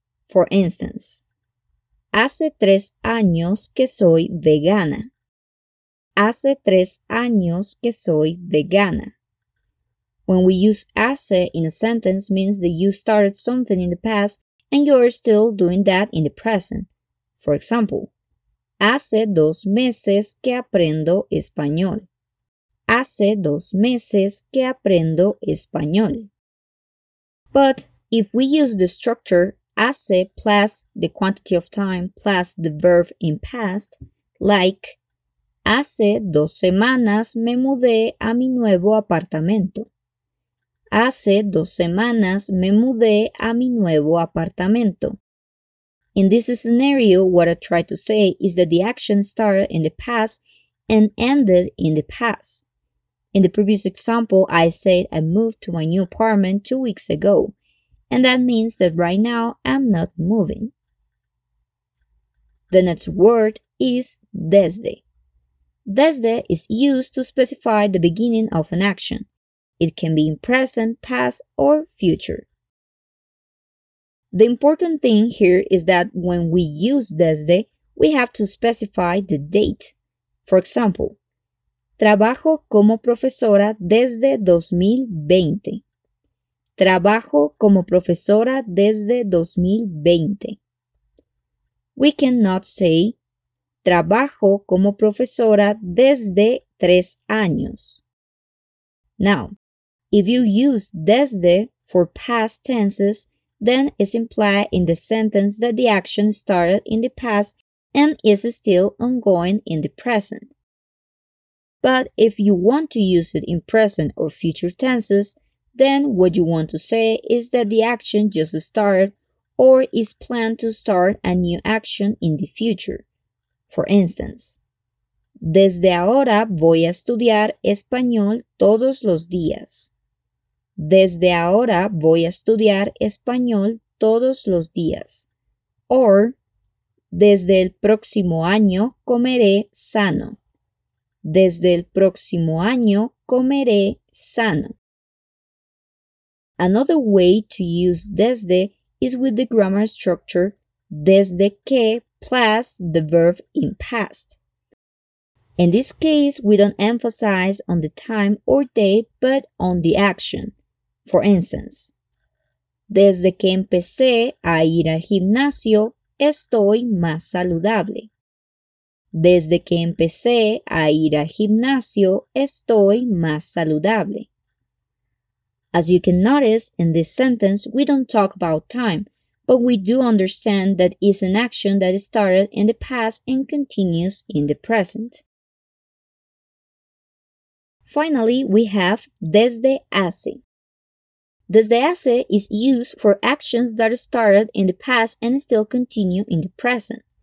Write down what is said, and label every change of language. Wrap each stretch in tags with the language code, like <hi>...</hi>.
<en>For instance,</en> <es>hace tres años que soy vegana. Hace tres años que soy vegana.</es> <en>When we use hace in a sentence means that you started something in the past and you are still doing that in the present. For example,</en> <es>hace dos meses que aprendo español. Hace dos meses que aprendo español.</es> <en>But if we use the structure hace plus the quantity of time plus the verb in past, like</en> <es>hace dos semanas me mudé a mi nuevo apartamento. Hace dos semanas me mudé a mi nuevo apartamento.</es> <en>In this scenario, what I try to say is that the action started in the past and ended in the past. In the previous example, I said I moved to my new apartment 2 weeks ago, and that means that right now I'm not moving. The next word is desde. Desde is used to specify the beginning of an action. It can be in present, past, or future. The important thing here is that when we use desde, we have to specify the date. For example,</en> <es>trabajo como profesora desde 2020. Trabajo como profesora desde 2020.</es> <en>We cannot say</en> <es>trabajo como profesora desde 3 años.</es> <en>Now, if you use desde for past tenses, then it's implied in the sentence that the action started in the past and is still ongoing in the present. But if you want to use it in present or future tenses, then what you want to say is that the action just started or is planned to start a new action in the future. For instance,</en> <es>desde ahora voy a estudiar español todos los días. Desde ahora voy a estudiar español todos los días.</es> <en>Or,</en> <es>desde el próximo año comeré sano. Desde el próximo año comeré sano.</es> <en>Another way to use desde is with the grammar structure desde que plus the verb in past. In this case, we don't emphasize on the time or date, but on the action. For instance,</en> <es>desde que empecé a ir al gimnasio, estoy más saludable. Desde que empecé a ir al gimnasio, estoy más saludable.</es> <en>As you can notice, in this sentence, we don't talk about time, but we do understand that it's an action that started in the past and continues in the present. Finally, we have desde hace. Desde hace is used for actions that started in the past and still continue in the present.</en>